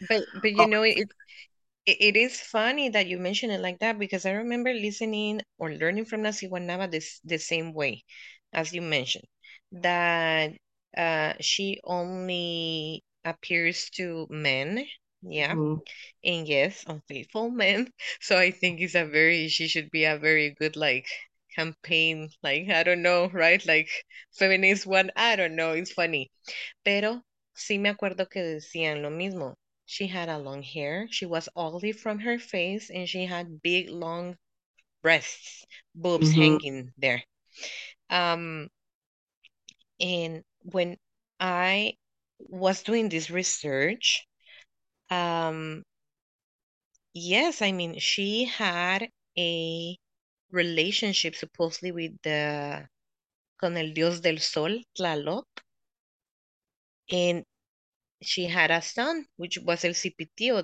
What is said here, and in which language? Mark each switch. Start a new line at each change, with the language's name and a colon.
English: But you know, it is funny that you mention it like that, because I remember listening or learning from the Siguanaba the same way as you mentioned, that she only appears to men, and yes, unfaithful men. So I think it's she should be a very good like campaign, like, I don't know, right? Like feminist one, I don't know, it's funny.
Spanish: Pero sí me acuerdo que decían lo mismo.
English: She had a long hair. She was ugly from her face, and she had big, long breasts, boobs hanging there. And when I was doing this research, yes, I mean, she had a relationship supposedly with the
Spanish: con el
English: Dios del Sol, Tlaloc, and she had a son, which was El Cipitio.